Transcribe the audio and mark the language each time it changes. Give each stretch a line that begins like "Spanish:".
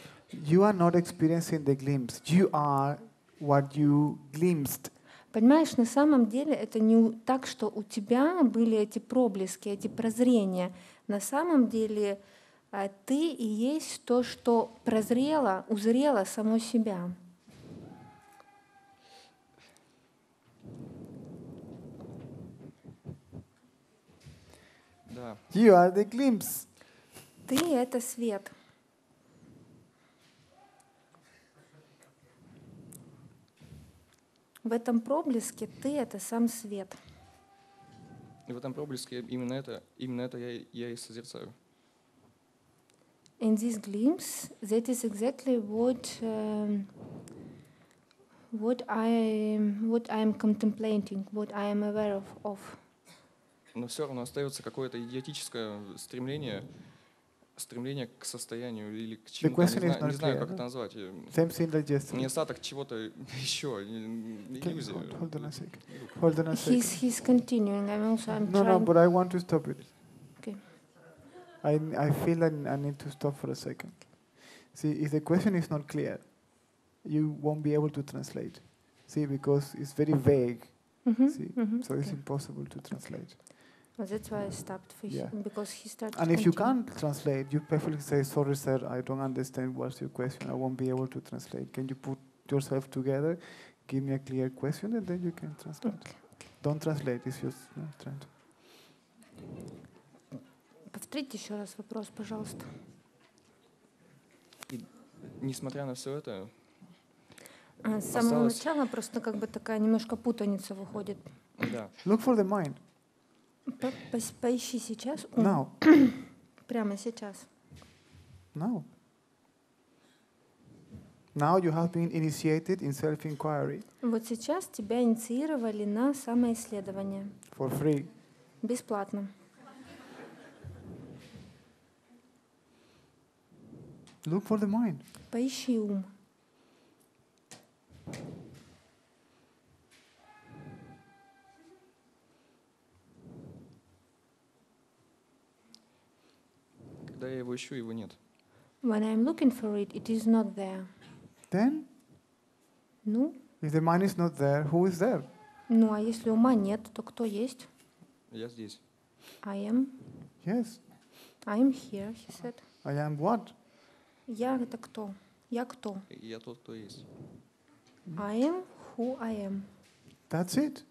English: You are not experiencing the glimpse. You are what you glimpsed.
Russian: Понимаешь, на самом деле это не так, что у тебя были эти проблески, эти прозрения. На самом деле ты и есть то, что прозрело, узрело само себя.
English: You are the glimpse.
Russian: Ты — это свет. В этом проблеске ты — это сам свет. И в этом проблеске именно это я и созерцаю.
English: In this glimpse, that is exactly what I am contemplating, what I am aware of.
Russian: Но все равно остается какое-то идиотическое стремление к состоянию или к чему-то, не знаю, как это назвать.
English: Same thing like yesterday.
Russian: Не остаток чего-то еще, иллюзия.
English: Hold on a second. Hold on a second. He's continuing. I'm trying. No, but I want to stop it. Okay. I feel I need to stop for a second. See, if the question is not clear, you won't be able to translate. See, because it's very vague. Mm-hmm. So okay. It's impossible to translate. Okay. Well, that's why I stopped for him, because he started. And if continue. You can't translate, you perfectly say, sorry, sir, I don't understand what's your question. I won't be able to translate. Can you put yourself together, give me a clear question, and then you can translate. Okay. Don't translate, it's just trying to.
Russian: Повторите еще раз вопрос, пожалуйста. Несмотря на все это, с самого начала просто как бы такая немножко путаница выходит.
English: Look for the mind.
Russian: Поищи сейчас.
English: Now.
Russian: Прямо сейчас.
English: Now. Now you have been initiated in self-inquiry.
Russian: Вот сейчас тебя инициировали на самоисследование.
English: For free.
Russian: Бесплатно.
English: Look for the mind.
Russian: Поищи ум. Когда я его ищу, его нет.
English: When I'm looking for it, it is not there. Then?
Russian: Ну?
English: If the mind is not there, who is there?
Russian: Ну, а если ума нет, то кто есть? Я здесь.
English: I am. Yes. I am here, he said. I am what?
Russian: Я это кто? Я кто? Я тот, кто есть.
English: I am who I am. That's it.